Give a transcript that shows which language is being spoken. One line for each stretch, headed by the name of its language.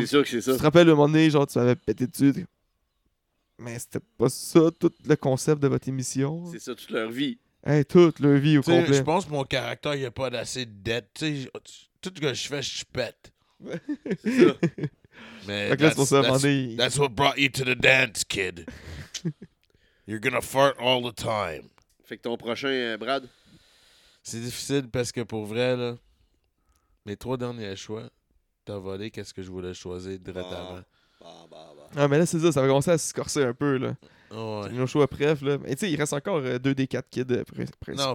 French: c'est sûr que c'est ça. Tu te rappelles le moment donné, genre, tu m'avais pété dessus. T'es... Mais c'était pas ça, tout le concept de votre émission. C'est ça, toute leur vie. Hey, toute leur vie au t'sais, complet. Je pense que mon caractère, il n'y a pas d'assez de dette. T'sais, tout ce que je fais, je pète. C'est ça. Mais fait que là, c'est pour ça,
English: That's what brought you to the dance, kid. You're gonna fart all the time.
French: Fait que ton prochain, Brad? C'est difficile parce que pour vrai, là, mes trois derniers choix, t'as volé qu'est-ce que je voulais choisir directement. Bah. Ah, mais là, c'est ça, ça va commencer à se corser un peu, là. Ouais. C'est nos choix préf, là. Mais tu sais, il reste encore deux des quatre kids principaux.